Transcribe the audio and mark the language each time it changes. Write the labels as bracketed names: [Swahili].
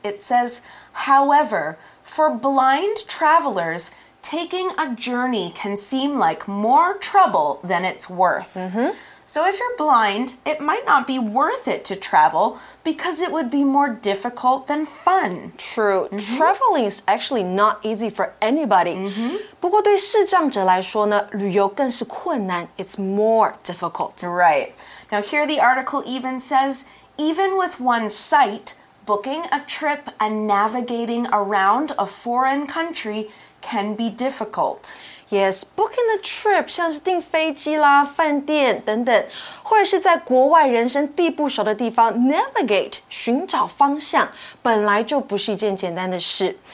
[English] It says, however, for blind travelers, taking a journey can seem like more trouble than it's worth. Mm-hmm. So if you're blind, it might not be worth it to travel because it would be more difficult than fun. True. Mm-hmm. Traveling is actually not easy for anybody. Mm-hmm. [Chinese] 不过对视障者来说呢，旅游更是困难。 [English] It's more difficult. Right. Now here the article even says, even with one sight, booking a trip and navigating around a foreign country can be difficult. Yes, booking a trip [Chinese] 像是订飞机啦、饭店等等，或者是在国外人生地不熟的地方 navigate 寻找方向，本来就不是一件简单的事。